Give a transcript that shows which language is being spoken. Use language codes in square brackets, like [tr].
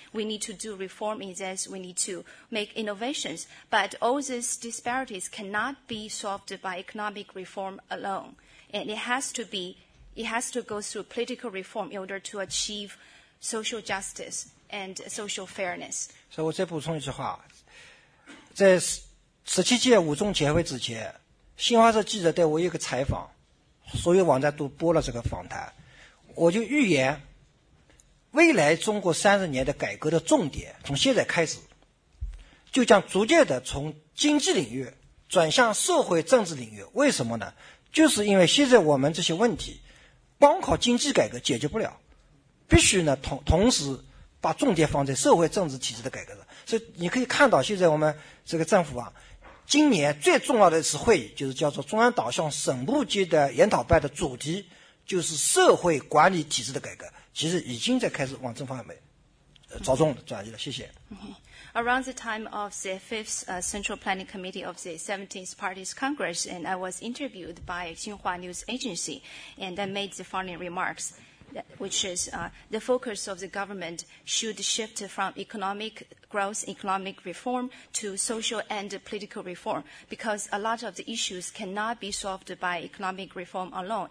[en] We need to do reform in this. We need to make innovations. But all these disparities cannot be solved by economic reform. Alone, and it has to go through political reform in order to achieve social justice and social fairness. [zh] So, 我再补充一句话，在17届五中全会之前，新华社记者对我有一个采访，所有网站都播了这个访谈，我就预言未来中国30年的改革的重点，从现在开始，就将逐渐的从经济领域。转向社会政治领域，为什么呢？就是因为现在我们这些问题，光靠经济改革解决不了，必须呢同时把重点放在社会政治体制的改革上。所以你可以看到，现在我们这个政府啊，今年最重要的一次会议，就是叫做中央党校省部级的研讨办的主题，就是社会管理体制的改革，其实已经在开始往这方面着重转移了。谢谢。 [en] Around the time of the 5th Central Planning Committee of the 17th Party's Congress, and I was interviewed by Xinhua News Agency, and I made the following remarks. which is the focus of the government should shift from economic growth, economic reform to social and political reform, because a lot of the issues cannot be solved by economic reform alone.